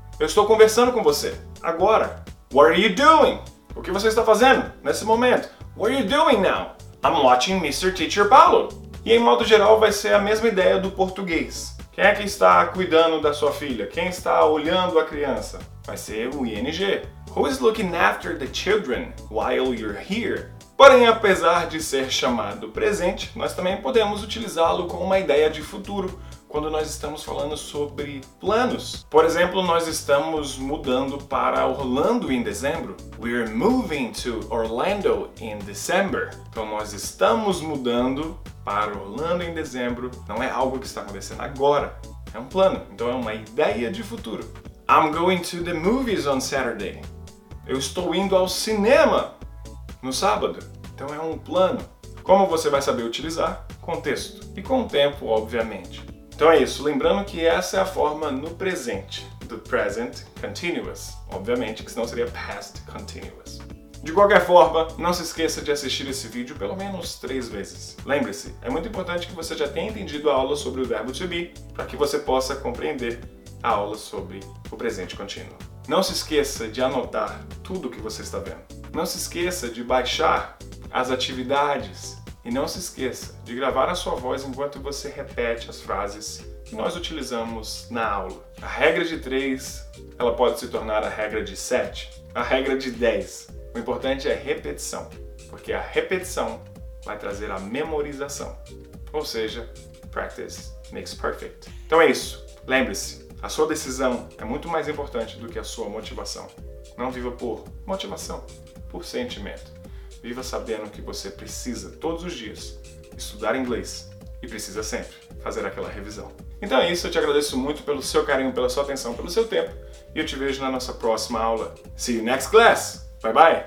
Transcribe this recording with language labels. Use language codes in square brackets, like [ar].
[pt] Eu estou conversando com você, agora. [en] What are you doing? [pt] O que você está fazendo nesse momento? [en] What are you doing now? I'm watching Mr. Teacher Paulo. [pt] E em modo geral vai ser a mesma ideia do português. Quem é que está cuidando da sua filha? Quem está olhando a criança? Vai ser o ing. [en] Who is looking after the children while you're here? [pt] Porém, apesar de ser chamado presente, nós também podemos utilizá-lo com uma ideia de futuro, quando nós estamos falando sobre planos. Por exemplo, nós estamos mudando para Orlando em dezembro. [en] We're moving to Orlando in December. [pt] Então, nós estamos mudando para Orlando em dezembro. Não é algo que está acontecendo agora. É um plano. Então, é uma ideia de futuro. [en] I'm going to the movies on Saturday. [pt] Eu estou indo ao cinema no sábado. Então, é um plano. Como você vai saber utilizar? Contexto. E com o tempo, obviamente. Então é isso, lembrando que essa é a forma no presente, do present continuous, obviamente, que senão seria past continuous. De qualquer forma, não se esqueça de assistir esse vídeo pelo menos 3 vezes. Lembre-se, é muito importante que você já tenha entendido a aula sobre o verbo to be, para que você possa compreender a aula sobre o presente contínuo. Não se esqueça de anotar tudo o que você está vendo. Não se esqueça de baixar as atividades. E não se esqueça de gravar a sua voz enquanto você repete as frases que nós utilizamos na aula. A regra de 3, ela pode se tornar a regra de 7, a regra de 10. O importante é a repetição, porque a repetição vai trazer a memorização. Ou seja, [en] practice makes perfect. [pt] Então é isso. Lembre-se, a sua decisão é muito mais importante do que a sua motivação. Não viva por motivação, por sentimento. Viva sabendo que você precisa, todos os dias, estudar inglês e precisa sempre fazer aquela revisão. Então é isso, eu te agradeço muito pelo seu carinho, pela sua atenção, pelo seu tempo e eu te vejo na nossa próxima aula. [en] See you next class! Bye bye!